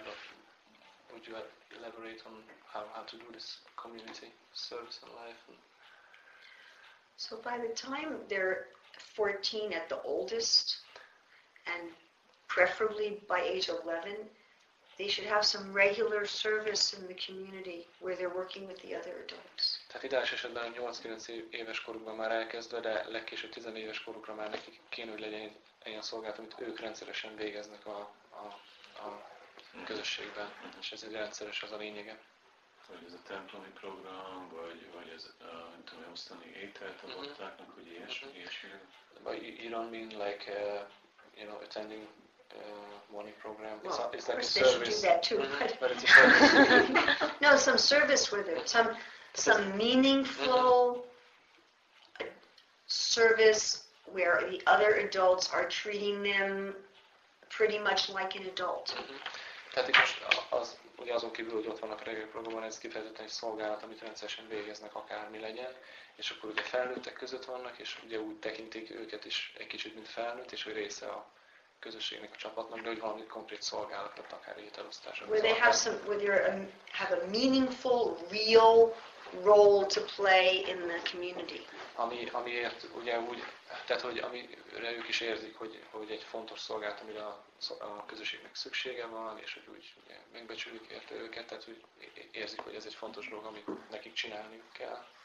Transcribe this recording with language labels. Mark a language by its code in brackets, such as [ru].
[en] But would you elaborate on how to do this community service and life? And so by the time they're 14 at the oldest, and preferably by age 11, they should have some regular service in the community where they're working with the other adults. [hu] Tehát ideális esetben 8-9 éves korukban már elkezdve, de legkésőbb 10 éves korukra már nekik kéne, hogy legyen egy ilyen szolgálat, amit ők rendszeresen végeznek a közösségben. És ez egy rendszeres, az a lényege. Vagy ez a templomi program, vagy ez osztani ételt a baktáknak, hogy ilyesmi. [en] You don't mean like, you know, attending morning program. Well, it's like of course a service. They should do that too. But it's a service. No, some service with it. Some meaningful service where the other adults are treating them pretty much like an adult. [hu] Tehát itt most azon kívül, hogy ott vannak a reggeli programban, ez kifejezetten egy szolgálat, amit rendszeresen végeznek, akármi legyen, és akkor ugye felnőttek között vannak, és ugye úgy tekintik őket is egy kicsit, mint felnőtt, és hogy része a közösségnek, a csapatnak, de hogy valami konkrét szolgálatot, akár ételosztásra. [en] Where they have some, where they have a meaningful, real role to play in the community. [hu] Amiért ugye úgy, tehát hogy amire ők is érzik, hogy egy fontos szolgálat, amire a közösségnek szüksége van, és hogy úgy ugye megbecsülik érte őket, tehát hogy érzik, hogy ez egy fontos dolog, amit nekik csinálniuk kell.